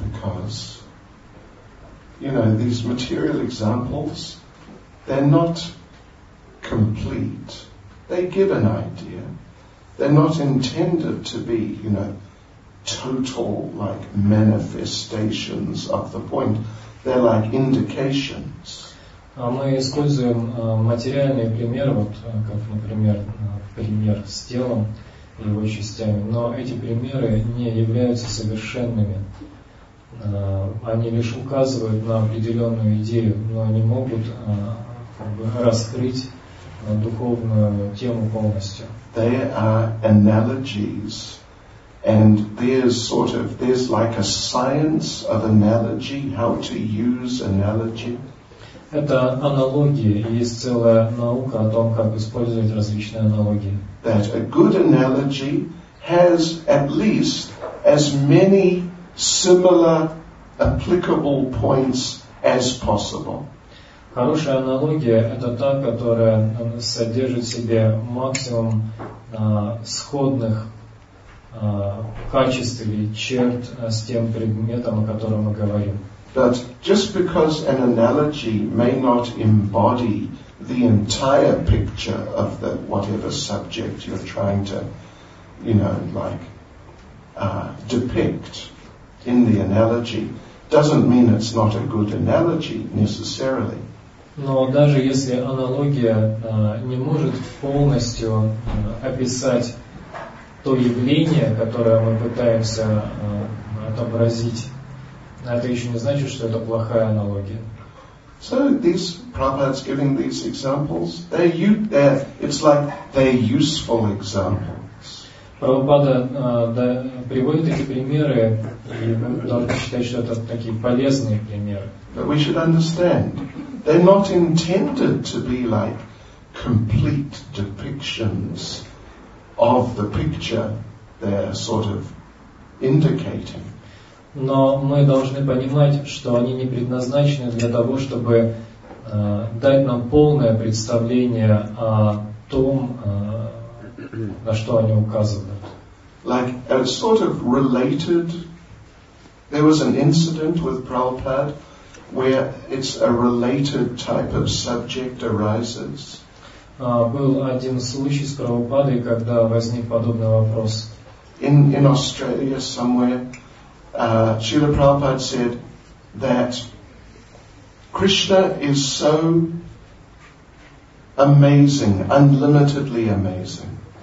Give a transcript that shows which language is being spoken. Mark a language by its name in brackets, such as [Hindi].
[English] Yeah, because, you know, these material examples, they're not complete. They give an idea. They're not intended to be, you know, total like manifestations of the point. They're like indications. [Russian] Мы используем материальные примеры, вот как, например, пример с телом и его частями. Но эти примеры не являются совершенными. Они лишь указывают на определенную идею, но они могут раскрыть духовную тему полностью. [English] They are analogies, and there's sort of there's like a science of analogy, how to use analogy. [Russian] Это аналогия, есть целая наука о том, как использовать различные аналогии. [English] That a good analogy has at least as many similar applicable points as possible. [Russian] Хорошая аналогия – это та, которая содержит в себе максимум сходных качеств или черт с тем предметом, о котором мы говорим. [English] But just because an analogy may not embody the entire picture of the whatever subject you're trying to, you know, like depict in the analogy, doesn't mean it's not a good analogy necessarily. [Russian] Но даже если аналогия не может полностью описать то явление, которое мы пытаемся отобразить, это еще не значит, что это плохая аналогия. [English] So these Prabhupada's giving these examples, they're it's like they're useful examples. [Russian] Прабхупада приводит эти примеры, и мы должны считать, что это такие полезные примеры. [English] But we should understand. They're not intended to be like complete depictions of the picture they're sort of indicating. [Russian] Но мы должны понимать, что они не предназначены для того, чтобы дать нам полное представление о том, на что они указывают. [English] Like a sort of related, there was an incident with Prabhupada where it's a related type of subject arises. [Russian] Был один случай с Прабхупадой, когда возник подобный вопрос. [English] In Australia somewhere, Srila Prabhupada said that Krishna is so amazing, unlimitedly amazing.